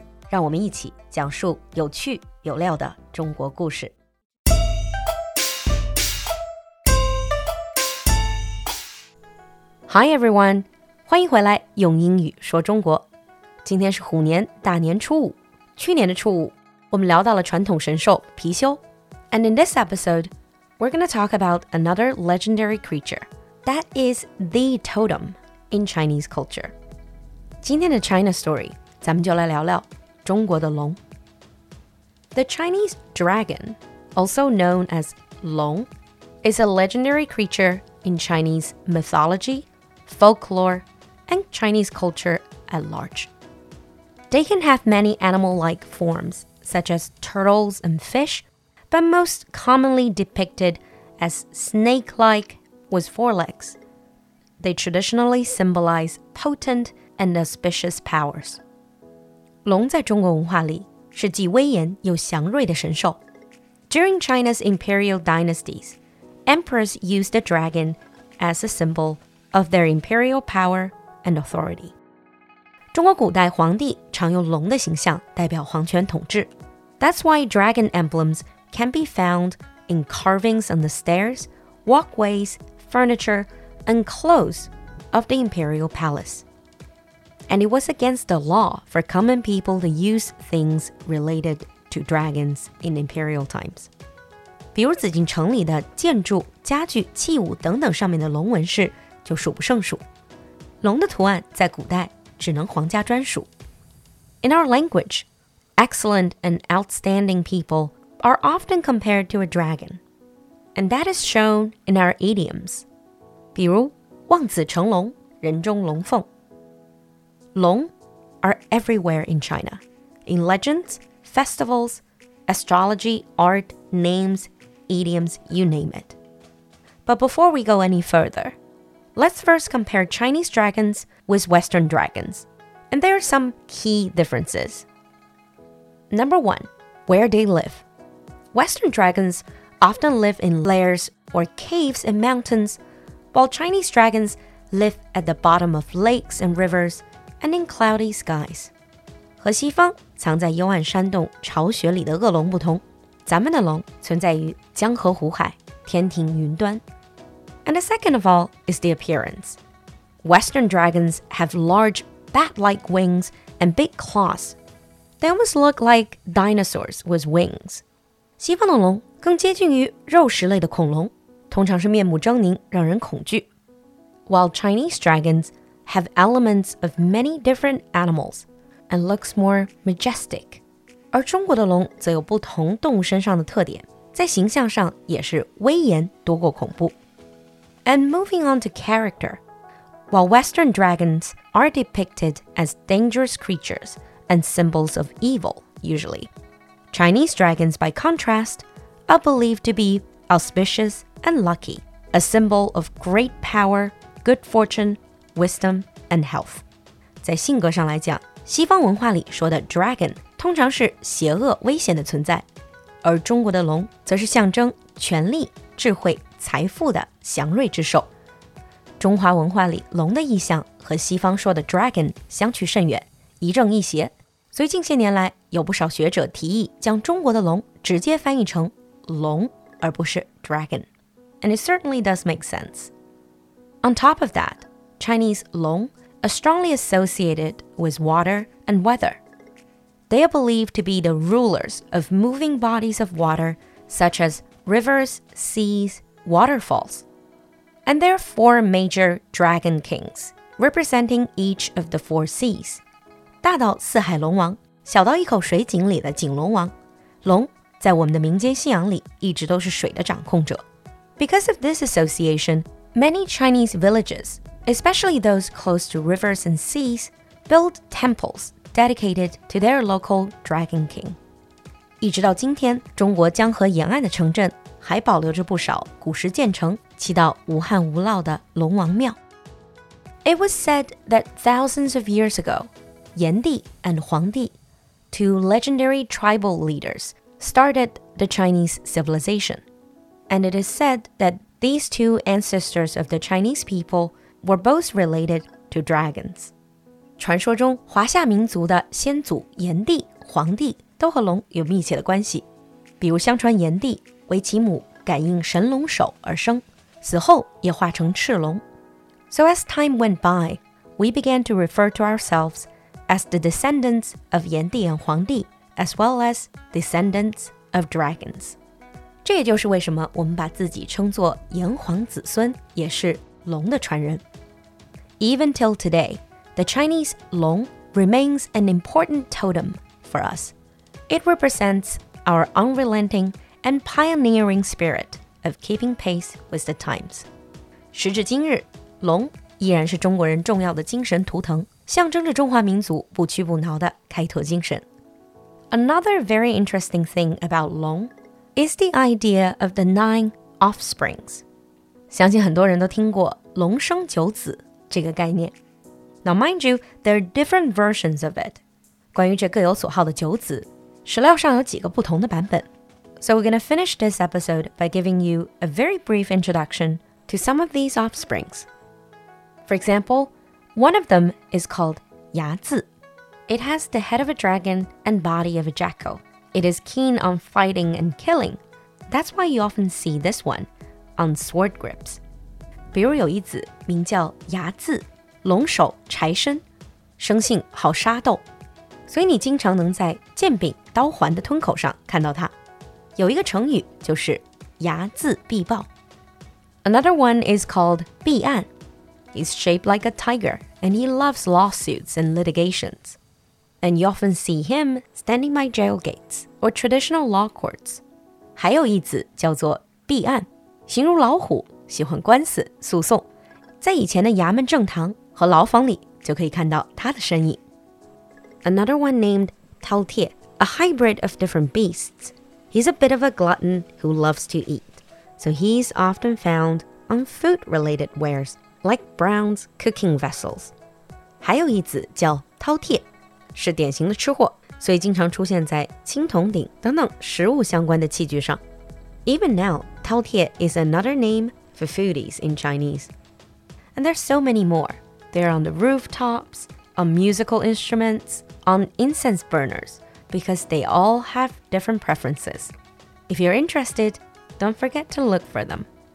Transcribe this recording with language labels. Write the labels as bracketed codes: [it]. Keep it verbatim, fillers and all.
[zh] 让我们一起讲述有趣有料的中国故事。 [en] Hi everyone， [zh] 欢迎回来用英语说中国。今天是虎年大年初五，去年的初五我们聊到了传统神兽貔貅。 [en] And in this episode, we're going to talk about another legendary creature. That is the totem in Chinese culture. [zh] 今天的 China Story， 咱们就来聊聊中国的龙。 [en] The Chinese dragon, also known as 龙, is a legendary creature in Chinese mythology,folklore, and Chinese culture at large. They can have many animal-like forms, such as turtles and fish, but most commonly depicted as snake-like with four legs. They traditionally symbolize potent and auspicious powers. [zh] 龙在中国文化里是既威严又祥瑞的神兽。 [en] During China's imperial dynasties, emperors used the dragon as a symbol of their imperial power and authority. [zh] 中国古代皇帝常用龙的形象代表皇权统治。 [en] That's why dragon emblems can be found in carvings on the stairs, walkways, furniture, and clothes of the imperial palace. And it was against the law for common people to use things related to dragons in imperial times. [zh] 比如紫禁城里的建筑、家具、器物等等上面的龙纹饰就数不胜数。龙的图案在古代只能皇家专属。 [en] In our language, excellent and outstanding people are often compared to a dragon, and that is shown in our idioms. [zh] 比如望子成龙，人中龙凤。 [en] 龙 are everywhere in China, in legends, festivals, astrology, art, names, idioms, you name it. But before we go any further,Let's first compare Chinese dragons with Western dragons. And there are some key differences. Number one, where they live. Western dragons often live in lairs or caves in mountains, while Chinese dragons live at the bottom of lakes and rivers and in cloudy skies. [zh] 和西方藏在幽暗山洞巢穴里的恶龙不同，咱们的龙存在于江河湖海，天庭云端。 [en] And the second of all is the appearance. Western dragons have large bat-like wings and big claws. They almost look like dinosaurs with wings. [zh] 西方的龙更接近于肉食类的恐龙，通常是面目狰狞，让人恐惧。 [en] While Chinese dragons have elements of many different animals and looks more majestic. [zh] 而中国的龙则有不同动物身上的特点，在形象上也是威严多过恐怖。 [en] And moving on to character. While Western dragons are depicted as dangerous creatures and symbols of evil, usually, Chinese dragons, by contrast, are believed to be auspicious and lucky, a symbol of great power, good fortune, wisdom, and health. [zh] 在性格上来讲，西方文化里说的 dragon 通常是邪恶危险的存在，而中国的龙则是象征权力、智慧、财富的祥瑞之兽。中华文化里龙的意象和西方说的 dragon 相去甚远，一正一邪，所以近些年来有不少学者提议将中国的龙直接翻译成龙而不是 dragon. [en] And it certainly does make sense. On top of that, Chinese 龙 are strongly associated with water and weather. They are believed to be the rulers of moving bodies of water such as rivers, seas,waterfalls. And there are four major dragon kings, representing each of the four seas. [zh] 大到四海龙王，小到一口水井里的井龙王。龙在我们的民间信仰里一直都是水的掌控者。 [en] Because of this association, many Chinese villages, especially those close to rivers and seas, build temples dedicated to their local dragon king. [zh] 一直到今天，中国江河沿岸的城镇还保留着不少古时建成、起到无旱无涝的龙王庙。 [en] It was said that thousands of years ago, Yan Di and Huang Di, two legendary tribal leaders, started the Chinese civilization. And it is said that these two ancestors of the Chinese people were both related to dragons. [zh] 传说中华夏民族的先祖炎帝、黄帝都和龙有密切的关系。比如相传炎帝为其母感应神龙首而生，死后也化成赤龙。 [en] So as time went by, we began to refer to ourselves as the descendants of Yan Di and Huang Di, as well as descendants of dragons. [zh] 这也就是为什么我们把自己称作炎黄子孙，也是龙的传人。 [en] Even till today, the Chinese long remains an important totem for us. It represents our unrelenting and pioneering spirit of keeping pace with the times. [zh] 时至今日，龙依然是中国人重要的精神图腾，象征着中华民族不屈不挠的开拓精神。 [en] Another very interesting thing about long is the idea of the nine offsprings. [zh] 相信很多人都听过龙生九子这个概念。 [en] Now mind you, there are different versions of it. [zh] 关于这各有所好的九子，史料上有几个不同的版本。 [en] So we're going to finish this episode by giving you a very brief introduction to some of these offsprings. For example, one of them is called 睚眦. It has the head of a dragon and body of a jackal. It is keen on fighting and killing. That's why you often see this one on sword grips. [zh] 比如有一子名叫睚眦，龙首柴身，生性好杀斗，所以你经常能在剑柄刀环的吞口上看到它。有一个成语就是睚眦必报。 [en] Another one is called 狴犴. He's shaped like a tiger, and he loves lawsuits and litigations. And you often see him standing by jail gates or traditional law courts. [zh] 还有一子叫做狴犴，形如老虎，喜欢官司诉讼，在以前的衙门正堂和牢房里就可以看到它的身影。 [en] Another one named Tao Tie, a hybrid of different beasts. He's a bit of a glutton who loves to eat, so he's often found on food-related wares, like Brown's cooking vessels. [zh] 还有一子叫饕餮，是典型的吃货，所以经常出现在青铜鼎等等食物相关的器具上。 [en] Even now, 饕餮 is another name for foodies in Chinese. And there's so many more. They're on the rooftops, on musical instruments, on incense burners, because they all have different preferences. If you're interested, don't forget to look for them.